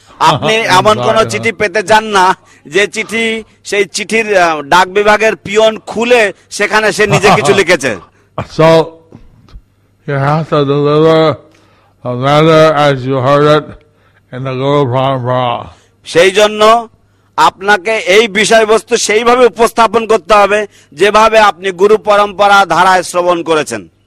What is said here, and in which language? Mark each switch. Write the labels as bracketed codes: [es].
[bn] আপনি এমন কোন চিঠি পেতে চান না যে চিঠি সেই চিঠির ডাক বিভাগের পিয়ন খুলে সেখানে সে নিজে কিছু লিখেছে। [en] So, you have to deliver the letter as you heard it. and the Guru Parampara. [bn] সেই জন্য আপনাকে এই বিষয়বস্তু সেইভাবে উপস্থাপন করতে হবে যেভাবে আপনি গুরু পরম্পরা ধারায় শ্রবণ করেছেন।